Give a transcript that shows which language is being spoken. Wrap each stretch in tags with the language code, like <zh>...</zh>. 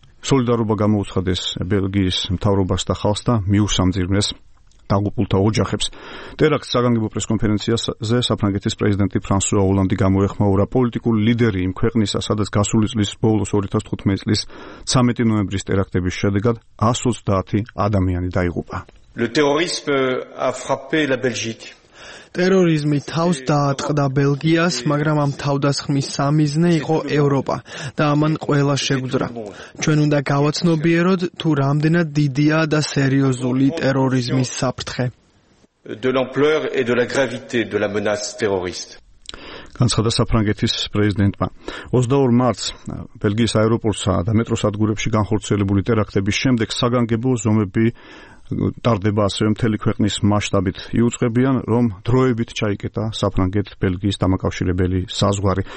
<ka>სოლიდარობა გამოუცხადეს ბელგიის მთავრობას და ხალხს და მიუსამძიმრეს დაღუპულთა ოჯახებს. ტერაქტს საგანგებო პრესკონფერენციაზე საფრანგეთის პრეზიდენტი ფრანსუა ოლანდი გამოეხმაურა. პოლიტიკური ლიდერი იმ ქვეყნისა, სადაც გასული წლის ბოლოს 2015 წლის 13 ნოემბრის ტერაქტების შედეგად 130 ადამიანი დაიღუპა.</ka> <fr>Le terrorisme a frappé la Belgique.</fr> <ka>ტერორიზმი თავს დაატყდა ბელგიას, მაგრამ ამ თავდასხმის სამიზნე იყო ევროპა და ამან ყველა შეგვძრა. ჩვენ უნდა გავაცნობიეროთ, თუ რამდენად დიდია და სერიოზული ტერორიზმის საფრთხე.</ka> <fr>De l'ampleur et de la gravité de la menace terroriste.</fr> <ka>განცხადა საფრანგეთის პრეზიდენტმა. 22 მარტს ბელგიის აეროპორტსა და მეტროსადგურებში განხორციელებული ტერაქტების შემდეგ საგანგებო ზომები ტარდება ასევე მთელი ქვეყნის მასშტაბით. იუწყებიან, რომ დროებით ჩაიკეტა საფრანგეთ-ბელგიის დამაკავშირებელი საზღვარი.</ka>